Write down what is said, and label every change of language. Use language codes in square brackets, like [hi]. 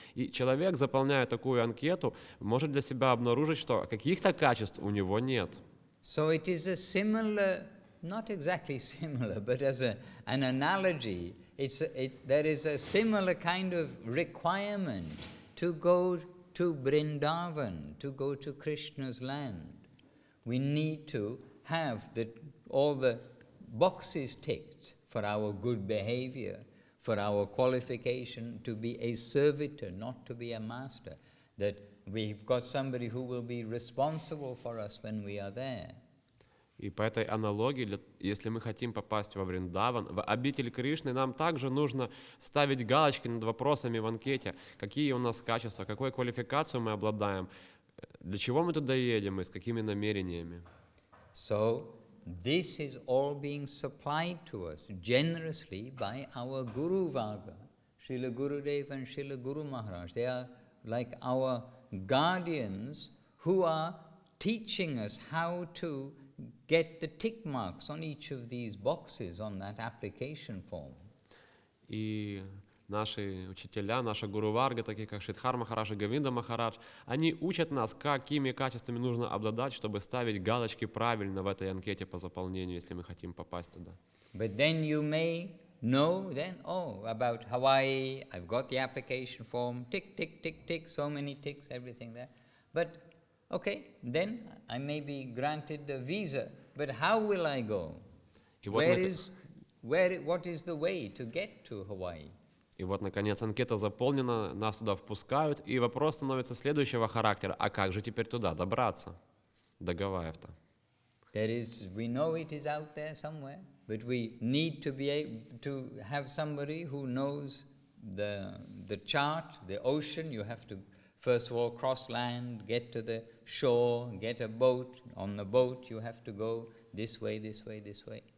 [ru] И человек, заполняя такую анкету, может для себя обнаружить, что каких-то качеств у него нет. [en] So it is a similar, not exactly similar, but as an analogy, there is a similar kind of requirement to go to Vrindavan, to go to Krishna's land. We need to have all the boxes ticked for our good behavior, for our qualification to be a servitor, not to be a master, that we've got somebody who will be responsible for us when we are there. [ru] И по этой аналогии, если мы хотим попасть во Вриндаван, в обитель Кришны, нам также нужно ставить галочки над вопросами в анкете, какие у нас качества, какую квалификацию мы обладаем, для чего мы туда едем и с какими намерениями. [en] So, this is all being supplied to us generously by our Guru Varga, Srila Gurudev and Srila Guru Maharaj. They are like our guardians who are teaching us how to get the tick marks on each of these boxes on that application form. [ru] И наши учителя, наша Гуру Варга, такие как Шридхар Махарадж и Говинда Махарадж, они учат нас, какими качествами нужно обладать, чтобы ставить галочки правильно в этой анкете по заполнению, если мы хотим попасть туда. [en] But then you may know then, oh, about Hawaii, I've got the application form, tick, tick, tick, tick, so many ticks, everything there. But okay, then I may be granted the visa, but how will I go? What is the way to get to Hawaii? [ru] И вот, наконец, анкета заполнена, нас туда впускают, и вопрос становится следующего характера. А как же теперь туда добраться, до Гавайев-то? [en] We know it is out there somewhere, but we need to be able to have somebody who knows the chart, the ocean. You have to first of all cross land, get to the shore, get a boat. On the boat you have to go this way, this way, this way.